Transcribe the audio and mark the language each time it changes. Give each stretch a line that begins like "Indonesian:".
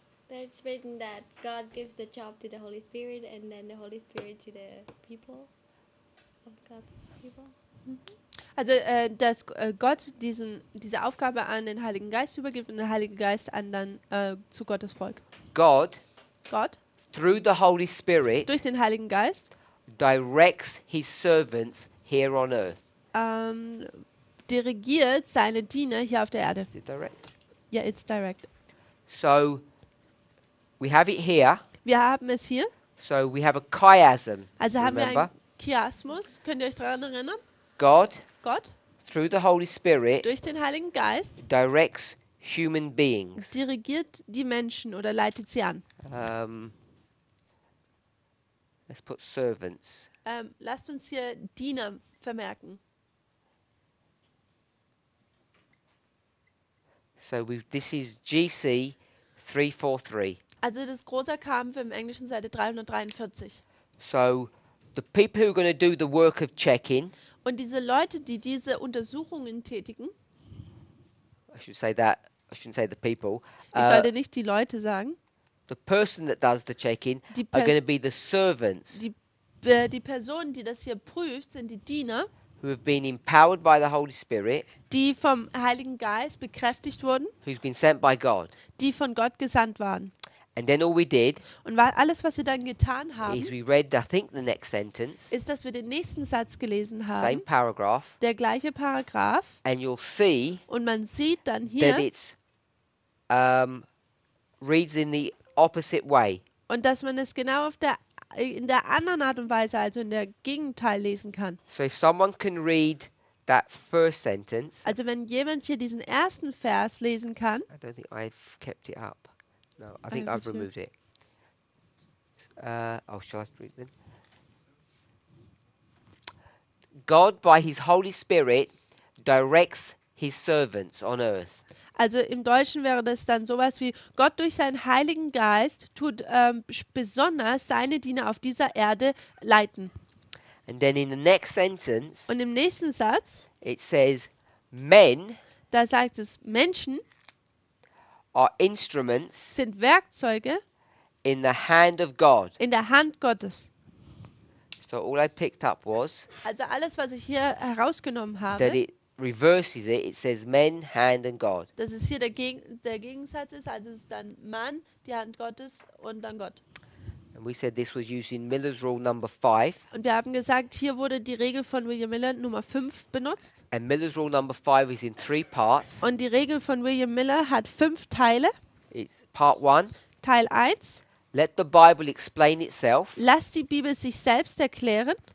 English: That's written that God gives the job to the Holy Spirit and then the Holy Spirit to the people of God's people. Mm-hmm.
German: Also, dass Gott diese Aufgabe an den Heiligen Geist übergibt und der Heilige Geist an dann zu Gottes Volk. Gott,
English: through the Holy Spirit,
German: durch den Heiligen Geist,
English: directs his servants here on earth.
German: Dirigiert seine Diener hier auf der Erde.
English: Is it direct? Yeah, it's direct. So, we have it here.
German: Wir haben es hier.
English: So, we have a chiasm.
German: Also haben wir ein Chiasmus. Könnt ihr euch daran erinnern?
English: God, through the Holy Spirit,
German: durch den Heiligen Geist,
English: directs human beings.
German: Dirigiert die Menschen oder leitet sie an.
English: Let's put servants.
German: Lasst uns hier Diener vermerken.
English: So this is GC 343.
German: Also das große K haben wir im Englischen Seite 343.
English: So the people who are going to do the work of checking.
German: Und diese Leute, die diese Untersuchungen tätigen.
English: I shouldn't say the people.
German: Ich sollte nicht die Leute sagen.
English: The person that does the checking are going to be the servants.
German: Die Personen, die das hier prüft, sind die Diener.
English: Who have been empowered by the Holy Spirit.
German: Die vom Heiligen Geist bekräftigt wurden.
English: Who's been sent by God.
German: Die von Gott gesandt waren.
English: And then all we did.
German: Und alles, was wir dann getan haben.
English: Is we read, I think, the next sentence.
German: Ist, dass wir den nächsten Satz gelesen haben.
English: Same paragraph.
German: Der gleiche Paragraph.
English: And you'll see.
German: Und man sieht dann hier.
English: That it's reads in the opposite way.
German: Und dass man es genau in der anderen Art und Weise, also in der Gegenteil lesen kann.
English: So if someone can read that first sentence.
German: Also wenn jemand hier diesen ersten Vers lesen kann.
English: I don't think I've kept it up. No, I think I've removed it. Shall I read it then? God, by his Holy Spirit, directs his servants on earth.
German: Also im Deutschen wäre das dann sowas wie, Gott durch seinen Heiligen Geist tut besonders seine Diener auf dieser Erde leiten.
English: And then in the next sentence,
German: und im nächsten Satz,
English: it says, men,
German: da sagt es, Menschen
English: are instruments,
German: sind Werkzeuge
English: in the hand of God.
German: In der Hand Gottes.
English: So all I picked up was,
German: also alles, was ich hier herausgenommen habe,
English: that it reverses it, it says men, hand and God.
German: Das ist hier der Gegensatz ist, also es ist dann Mann, die Hand Gottes und dann Gott.
English: And we said this was used in Miller's rule number 5.
German: Und wir haben gesagt, hier wurde die Regel von William Miller Nummer 5 benutzt.
English: And Miller's rule number 5 is in 3 parts.
German: Und die Regel von William Miller hat 5 Teile.
English: It's part 1.
German: Teil 1.
English: Let the Bible explain itself.
German: Lass die Bibel sich selbst erklären.